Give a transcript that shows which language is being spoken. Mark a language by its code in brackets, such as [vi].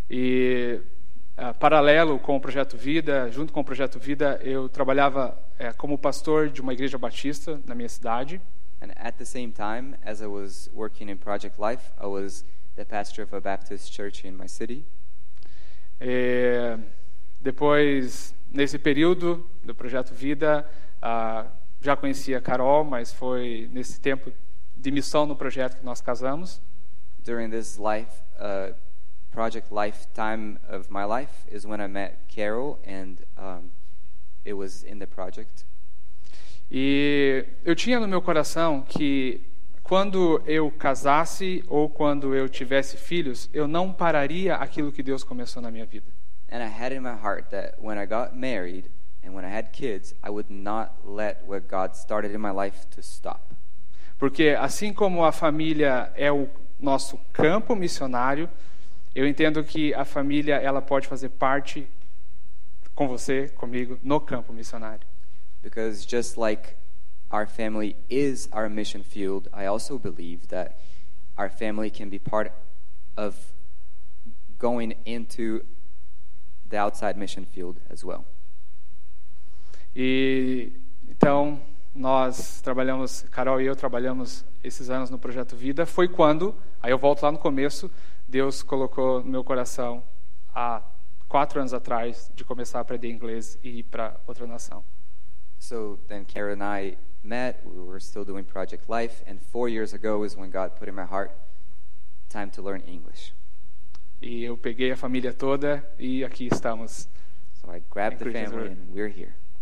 [pt] E paralelo com o Projeto Vida, junto com o Projeto Vida, eu trabalhava como pastor de uma igreja batista na minha cidade. [en] And at the same time as I was working in Project Life, I was the pastor of a Baptist church in my city. [pt] E depois, nesse período do Projeto Vida, já conhecia a Carol, mas foi nesse tempo de missão no projeto que nós casamos. [en] During this life, project lifetime of my life is when I met Carol, and it was in the project. [pt] E eu tinha no meu coração que quando eu casasse ou quando eu tivesse filhos, eu não pararia aquilo que Deus começou na minha vida. [en] And I had in my heart that when I got married and when I had kids, I would not let what God started in my life to stop. [pt] Porque assim como a família é o nosso campo missionário, eu entendo que a família ela pode fazer parte com você, comigo, no campo missionário. [en] Because just like our family is our mission field, I also believe that our family can be part of going into the outside mission field as well. [pt] E então nós trabalhamos, Carol e eu trabalhamos esses anos no Projeto Vida. Foi quando, aí eu volto lá no começo, Deus colocou no meu coração há 4 anos atrás de começar a aprender inglês e ir para outra nação. [en] So then Carol and I met, we were still doing Project Life, and 4 years ago is when God put in my heart time to learn English. [pt] E eu peguei a família toda e aqui estamos. [en] So I grabbed the family and we're here.